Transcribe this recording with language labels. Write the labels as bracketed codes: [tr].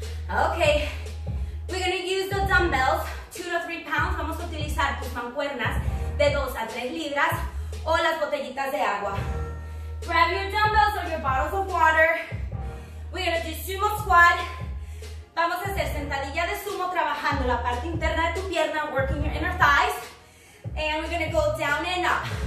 [en] Okay, we're gonna use the dumbbells, 2 to 3 pounds. [es] Vamos a utilizar tus mancuernas de 2 a 3 libras o las botellitas de agua. [en] Grab your dumbbells or your bottles of water. We're gonna do sumo squat. [es] Vamos a hacer sentadilla de sumo trabajando la parte interna de tu pierna, [en] working your inner thighs. And we're going to go down and up.